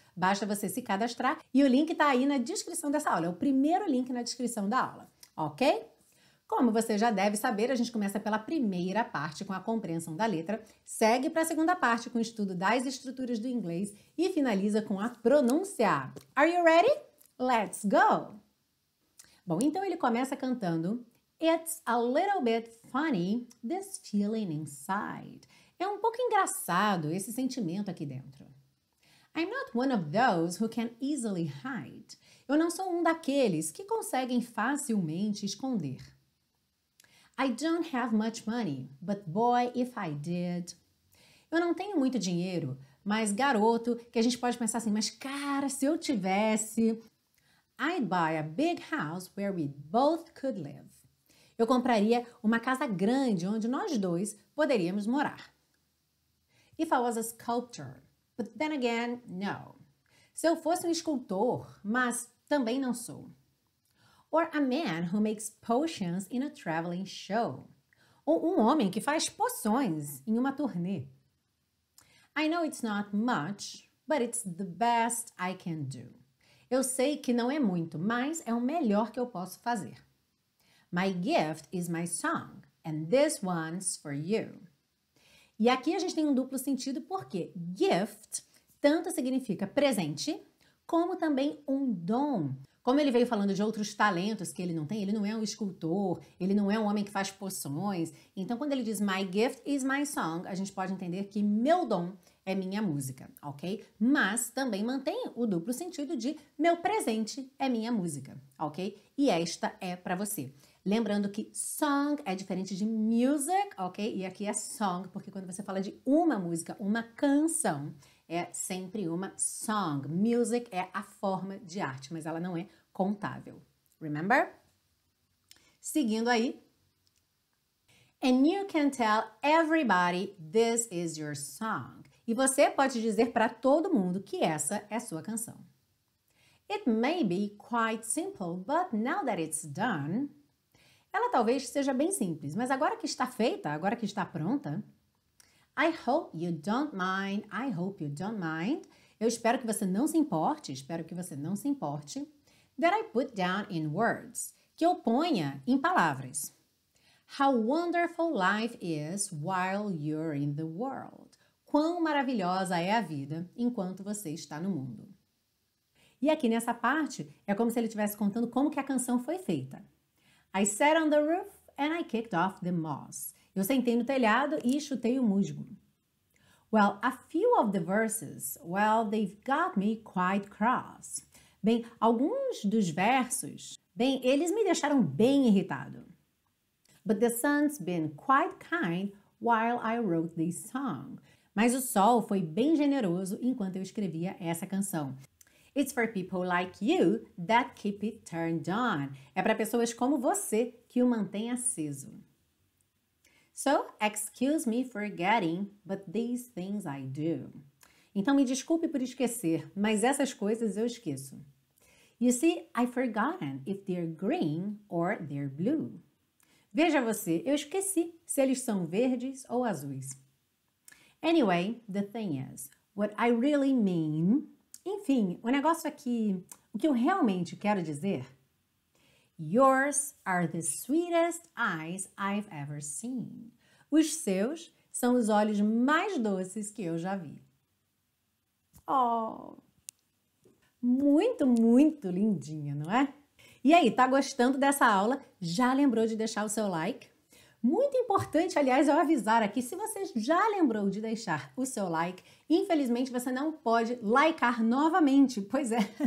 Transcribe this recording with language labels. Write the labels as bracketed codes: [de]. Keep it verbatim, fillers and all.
[pt] Basta você se cadastrar e o link está aí na descrição dessa aula. É o primeiro link na descrição da aula, ok? Como você já deve saber, a gente começa pela primeira parte com a compreensão da letra, segue para a segunda parte com o estudo das estruturas do inglês e finaliza com a pronúncia. [en] Are you ready? Let's go! [pt] Bom, então ele começa cantando... [en] It's a little bit funny, this feeling inside. [pt] É um pouco engraçado esse sentimento aqui dentro. [en] I'm not one of those who can easily hide. [pt] Eu não sou um daqueles que conseguem facilmente esconder. [en] I don't have much money, but boy, if I did. [pt] Eu não tenho muito dinheiro, mas garoto, que a gente pode pensar assim, mas cara, se eu tivesse... [en] I'd buy a big house where we both could live. [pt] Eu compraria uma casa grande onde nós dois poderíamos morar. [en] If I was a sculptor, but then again, no. [pt] Se eu fosse um escultor, mas também não sou. [en] Or a man who makes potions in a traveling show. [pt] Ou um homem que faz poções em uma turnê. [en] I know it's not much, but it's the best I can do. [pt] Eu sei que não é muito, mas é o melhor que eu posso fazer. [en] My gift is my song, and this one's for you. [pt] E aqui a gente tem um duplo sentido porque gift tanto significa presente, como também um dom. Como ele veio falando de outros talentos que ele não tem, ele não é um escultor, ele não é um homem que faz poções. Então, quando ele diz [en] my gift is my song, [pt] a gente pode entender que meu dom é minha música, ok? Mas também mantém o duplo sentido de meu presente é minha música, ok? E esta é pra você. Lembrando que song é diferente de music, ok? E aqui é song, porque quando você fala de uma música, uma canção, é sempre uma song. Music é a forma de arte, mas ela não é contável. [en] Remember? [pt] Seguindo aí. [en] And you can tell everybody this is your song. [pt] E você pode dizer para todo mundo que essa é sua canção. [en] It may be quite simple, but now that it's done... [pt] Ela talvez seja bem simples, mas agora que está feita, agora que está pronta, [en] I hope you don't mind, [pt] I hope you don't mind, eu espero que você não se importe, espero que você não se importe, [en] that I put down in words, [pt] que eu ponha em palavras. [en] How wonderful life is while you're in the world. [pt] Quão maravilhosa é a vida enquanto você está no mundo. E aqui nessa parte, é como se ele estivesse contando como que a canção foi feita. [en] I sat on the roof and I kicked off the moss. [pt] Eu sentei no telhado e chutei o musgo. [en] Well, a few of the verses, well, they've got me quite cross. [pt] Bem, alguns dos versos, bem, eles me deixaram bem irritado. [en] But the sun's been quite kind while I wrote this song. [pt] Mas o sol foi bem generoso enquanto eu escrevia essa canção. [en] It's for people like you that keep it turned on. [pt] É para pessoas como você que o mantém aceso. [en] So, excuse me for forgetting, but these things I do. [pt] Então, me desculpe por esquecer, mas essas coisas eu esqueço. [en] You see, I've forgotten if they're green or they're blue. [pt] Veja você, eu esqueci se eles são verdes ou azuis. [en] Anyway, the thing is, what I really mean... [pt] Enfim, o negócio aqui, o que eu realmente quero dizer. [en] Yours are the sweetest eyes I've ever seen. [pt] Os seus são os olhos mais doces que eu já vi. Oh! Muito, muito lindinha, não é? E aí, tá gostando dessa aula? Já lembrou de deixar o seu like? Muito importante, aliás, eu avisar aqui, se você já lembrou de deixar o seu like, infelizmente você não pode likear novamente, pois é.